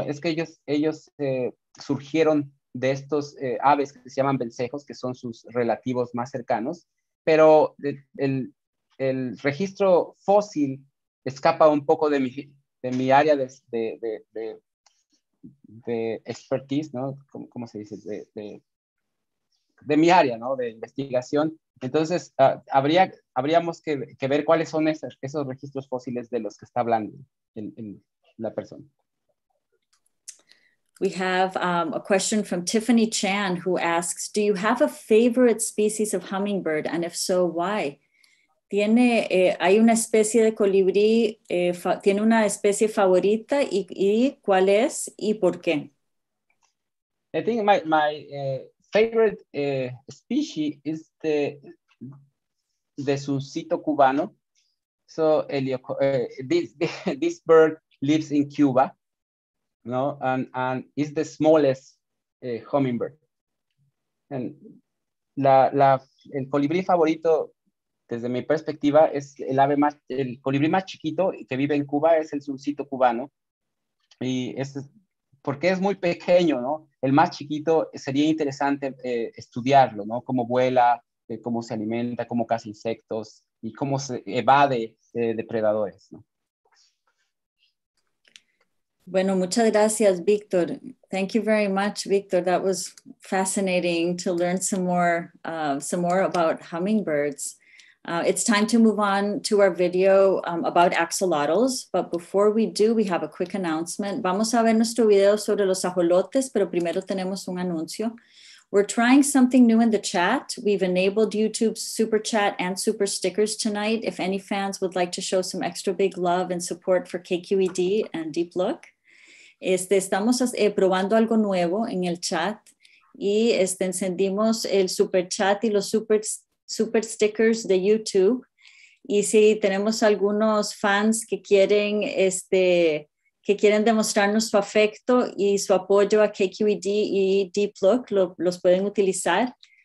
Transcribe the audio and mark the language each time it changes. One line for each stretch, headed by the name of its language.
Spanish: Es que ellos surgieron de estos aves que se llaman vencejos, que son sus relativos más cercanos, pero el registro fósil escapa un poco de mi área de expertise, ¿no? ¿Cómo se dice? De mi área, ¿no? De investigación. Entonces, habríamos que ver cuáles son esos registros fósiles de los que está hablando en la persona.
English: We have a question from Tiffany Chan, who asks, do you have a favorite species of hummingbird? And if so, why?
Spanish: ¿Tiene, hay una especie de colibrí, tiene una especie favorita, y cuál es, y por qué?
English: I think my favorite species is the suncito cubano. So this bird lives in Cuba. No, and is the smallest hummingbird.
Spanish: And el colibrí favorito, desde mi perspectiva, es el ave más, el colibrí más chiquito que vive en Cuba, es el suncito cubano. Y es porque es muy pequeño, ¿no? El más chiquito sería interesante estudiarlo, ¿no? Cómo vuela, cómo se alimenta, cómo caza insectos y cómo se evade depredadores, ¿no? Bueno, muchas gracias,
English: Víctor. Thank you very much, Víctor. That was fascinating to learn some more about hummingbirds. It's time to move on to our video about axolotls. But before we do, we have a quick announcement.
Spanish: Vamos a ver nuestro video sobre los ajolotes, pero primero tenemos un anuncio.
English: We're trying something new in the chat. We've enabled YouTube's Super Chat and Super Stickers tonight. If any fans would like to show some extra big love and support for KQED and Deep Look.
Spanish: Estamos probando algo nuevo en el chat y encendimos el Super Chat y los Super Stickers de YouTube. Y si tenemos algunos fans que quieren que quieren demostrarnos su afecto y su apoyo a KQED y Deep Look, los pueden utilizar.